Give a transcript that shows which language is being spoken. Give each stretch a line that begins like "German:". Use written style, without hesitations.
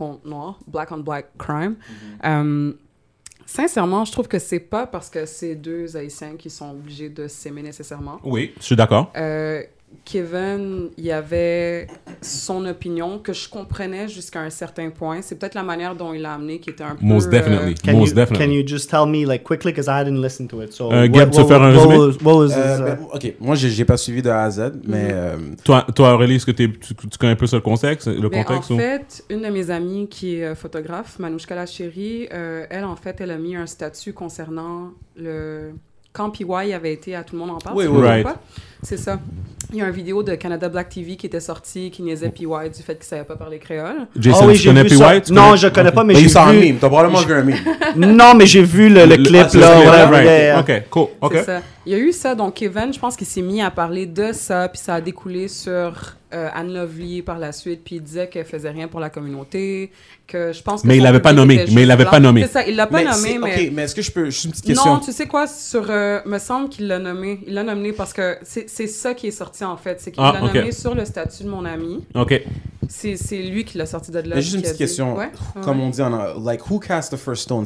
French: noir,
English: black on black crime.
French: Mm-hmm. Sincèrement, je trouve que c'est pas parce que c'est deux Haïtiens qui sont obligés de s'aimer nécessairement. Oui, je suis d'accord. Kevin, il y avait son opinion que je comprenais jusqu'à un certain point. C'est peut-être la manière dont il l'a amené qui était un peu...
English: Most definitely. Can you just tell me, like, quickly, because I didn't listen to it. So,
French: Gab, tu veux faire un résumé? OK, moi, j'ai pas suivi de A à Z, mm-hmm. mais... Toi, Aurélie, est-ce que tu connais un peu ça, le contexte? En fait, une de mes amies qui est photographe, Manouchka Lachéri, elle a mis un statut concernant le... Quand PY avait été à Tout le monde en parle, oui, right. Pas? C'est ça. Il y a une vidéo de Canada Black TV qui était sortie qui niaisait PY du fait qu'il ne savait pas parler créole. Jason, tu connais PY? Non, je ne connais pas, mais j'ai vu... Il sort un meme. T'as probablement vu un meme. Non, mais j'ai vu le clip, là. OK, cool. OK. C'est ça. Il y a eu ça. Donc, Kevin, je pense qu'il s'est mis à parler de ça, puis ça a découlé sur Anne Lovely par la suite, puis il disait qu'elle ne faisait rien pour la communauté, que je pense que... Mais il ne l'avait pas nommé. C'est ça, il ne l'a pas nommé, mais... OK, mais est-ce que je peux... Juste une petite question. Non, tu sais quoi? Me semble qu'il l'a nommé. Il l'a nommé parce que c'est ça qui est sorti, en fait. C'est qu'il l'a nommé sur le statut de mon ami. OK. C'est lui qui l'a sorti de là. Mais juste une petite question. Comme on dit,
English: like, who cast the first stone?